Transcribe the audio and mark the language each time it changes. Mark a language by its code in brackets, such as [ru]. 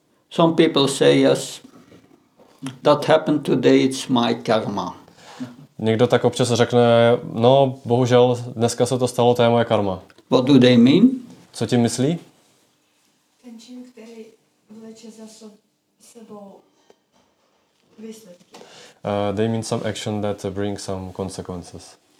[en] Some people say yes, that happened today, it's my karma. [cs] Někdo tak občas řekne, no bohužel dneska se to stalo, to je moje karma. [en] What do they mean? [cs] Co tím myslí? Ten čin, který vleče za sebou výsledky. [en] They mean some action that brings some consequences.